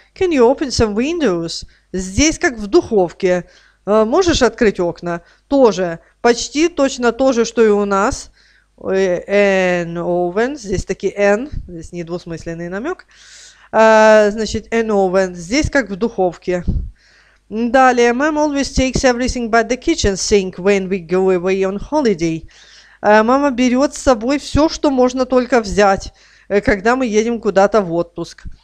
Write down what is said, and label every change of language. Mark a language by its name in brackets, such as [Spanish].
[English] Can you open some windows? [Russian] Здесь как в духовке. Можешь открыть окна? Тоже. Почти точно то же, что и у нас. [English] An oven, [Russian] здесь таки N, здесь недвусмысленный намек. Значит, [English] an oven, [Russian] здесь как в духовке. [English] Далее, mom always takes everything but the kitchen sink when we go away on holiday. [Russian] Мама берет с собой все, что можно только взять, когда мы едем куда-то в отпуск.